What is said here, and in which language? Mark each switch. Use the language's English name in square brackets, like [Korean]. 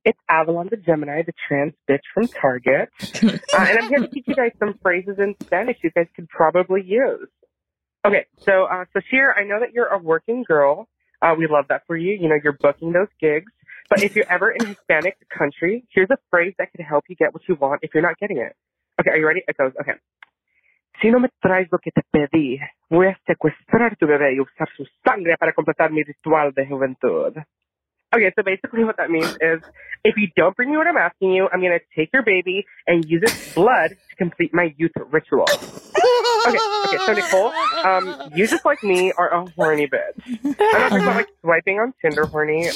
[English] It's Avalon the Gemini, the trans bitch from Target. And I'm here to teach you guys some phrases in Spanish you guys could probably use. Okay, so Sasheer, I know that you're a working girl. We love that for you. You know, you're booking those gigs. But if you're ever in Hispanic country, here's a phrase that could help you get what you want if you're not getting it. Okay, are you ready? It goes, okay. [Spanish] Si no me traes lo que te pedí, voy a secuestrar tu bebé y usar su sangre para completar mi ritual de juventud. [English] Okay, so basically what that means is, if you don't bring me what I'm asking you, I'm going to take your baby and use its blood to complete my youth ritual. Okay, so Nicole, you just like me are a horny bitch. I'm not talking about like swiping on Tinder horny.